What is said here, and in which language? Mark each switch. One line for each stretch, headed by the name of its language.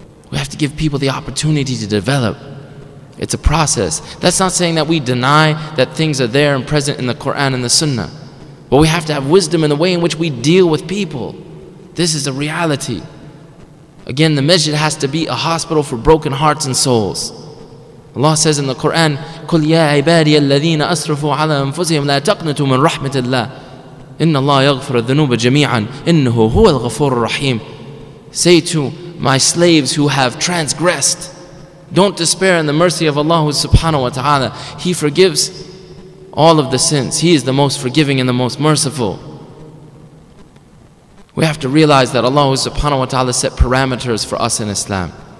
English: We have to give people the opportunity to develop. It's a process. That's not saying that we deny that things are there and present in the Quran and the Sunnah. But we have to have wisdom in the way in which we deal with people. This is a reality. Again, the masjid has to be a hospital for broken hearts and souls. Allah says in the Quran,
Arabic: قُلْ يَا عِبَادِيَ الَّذِينَ أَسْرَفُوا عَلَى أَنفُسِهِمْ لَا تَقْنَتُوا مِنْ رَحْمَةِ اللَّهِ إِنَّ اللَّهَ يَغْفِرَ الذُّنُوبَ جَمِيعًا إِنَّهُ هُوَ الْغَفُورُ الرَّحِيمُ.
English: Say to my slaves who have transgressed, don't despair in the mercy of Allah subhanahu wa ta'ala. He forgives all of the sins. He is the most forgiving and the most merciful. We have to realize that Allah subhanahu wa ta'ala set parameters for us in Islam.